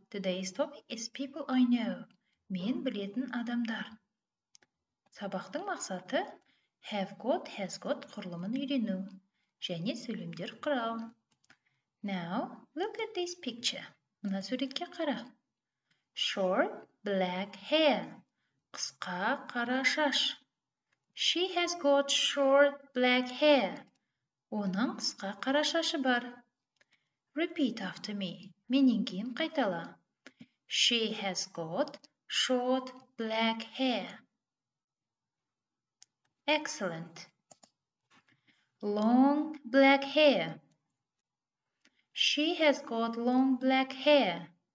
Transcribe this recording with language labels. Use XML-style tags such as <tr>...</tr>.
<en>Today's topic is people I know.</en> <kk>Мен білетін адамдар. Сабақтың мақсаты have got, has got құрылымын үйрену және сөйлемдер құрау.</kk> <en>Now, look at this picture.</en> <kk>Мына суретке қара.</kk> <en>Short black hair.</en> <kk>Қысқа қара шаш.</kk> <en>She has got short black hair.</en> <kk>Оның қысқа қара шашы бар.</kk> <en>Repeat after me.</en> <kk>Менен кейін қайтала.</kk> <en>She has got short black hair. Excellent. Long black hair. She has got long black hair.</en>